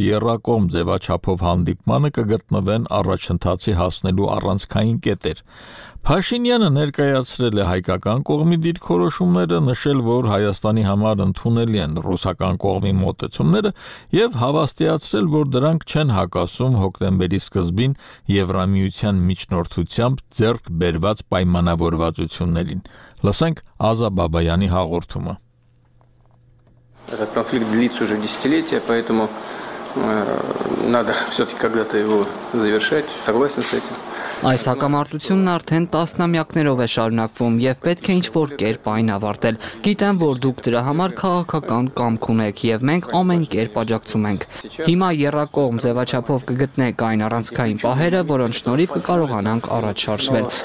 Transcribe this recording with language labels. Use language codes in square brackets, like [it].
[hy] եռակողմ ձևաչափով հանդիպմանը կգտնվեն առաջընթացի հասնելու առանցքային կետեր։ Փաշինյանը ներկայացրել է հայկական կողմի դիրքորոշումները, նշել, որ Հայաստանի համար ընդունելի են ռուսական կողմի մոտեցումները և հավաստիացրել, որ դրանք չեն հակասում հոկտեմբերի սկզբին Եվրամիության միջնորդությամբ ձեռք բերված պայմանավորվածություններին։ Լսենք Ազա Բաբայանի հաղորդումը։ [ru] Этот конфликт длится уже десятилетия, поэтому надо все-таки когда-то его завершать. Согласен с этим. [hy] Այս հակամարտությունն արդեն տասնամյակներով է շարունակվում և պետք է ինչ-որ կերպ այն ավարտել։ Գիտեմ, որ դուք դրա համար քաղաքական կամք ունեք և մենք ամեն կերպ աջակցում ենք։ Հիմա եռակողմ ձևաչափով կգտնեք այն առանցքային պահերը, որոնց շնորհիվ կկարողանանք առաջ շարժվել։